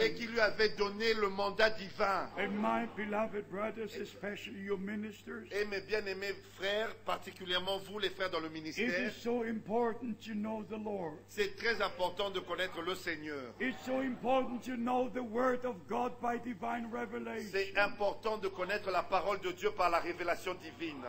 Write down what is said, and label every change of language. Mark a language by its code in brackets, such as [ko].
[fr] Et qui lui avait donné le mandat divin. [en] And my beloved brothers, especially your ministers. [fr] Et mes bien-aimés frères, particulièrement vous les frères dans le ministère. [en] It is so important to know the Lord. [fr] C'est très important de connaître le Seigneur. [en] It's so important to know the word of God by divine revelation. [fr] C'est important de connaître la parole de Dieu par la révélation divine.